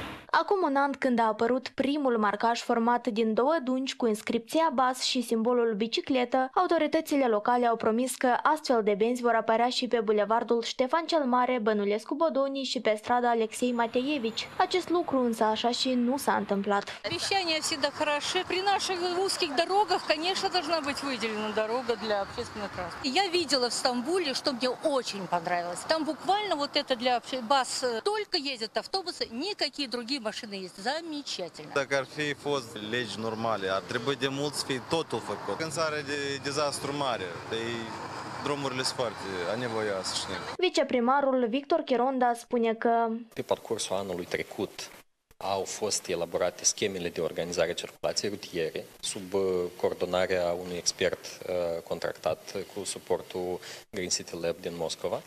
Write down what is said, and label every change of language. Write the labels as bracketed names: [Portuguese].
[Romanian] Acum un an, când a apărut primul marcaj format din două dungi cu inscripția BAS și simbolul bicicletă, autoritățile locale au promis că astfel de benzi vor apărea și pe bulevardul Ștefan cel Mare, Bănulescu Bodonii și pe strada Alexei Mateievici. Acest lucru însă așa și nu s-a întâmplat. [Russian] Обещания все да хороши. При наших узких дорогах, конечно, должна быть выделена дорога для общественного транспорта. Я видела в Стамбуле, что мне очень понравилось. Там буквально вот это для БАС только ездят автобусы, никакие другие [Romanian] mașini este [Russian] замечательно. [Romanian] Dacă ar fi fost legi normale, ar trebui de mult să fie totul făcut. Când s-are de dezastru mare, de-i drumurile sunt foarte anevoioase și nimic. Viceprimarul Victor Chironda spune că pe parcursul anului trecut au fost elaborate schemele de organizare a circulației rutiere sub coordonarea unui expert contractat cu suportul Green City Lab din Moscova.